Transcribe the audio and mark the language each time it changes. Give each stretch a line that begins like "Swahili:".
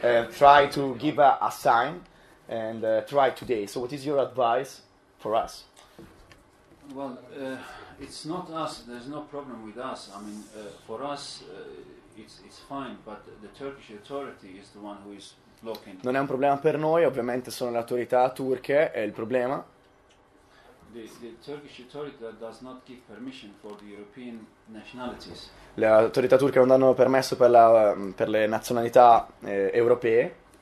English: Try to give a sign and try today. So, what is your advice for us? Well, it's not us, there's no problem with us. I mean, for us, it's fine, but the Turkish authority is the one who is blocking.
Italian: Non è un problema per noi, ovviamente sono le autorità turche, è il problema.
English: The Turkish authority does not give permission for the European nationalities.
Italian: Le autorità turche non danno permesso per, la, per le nazionalità europee.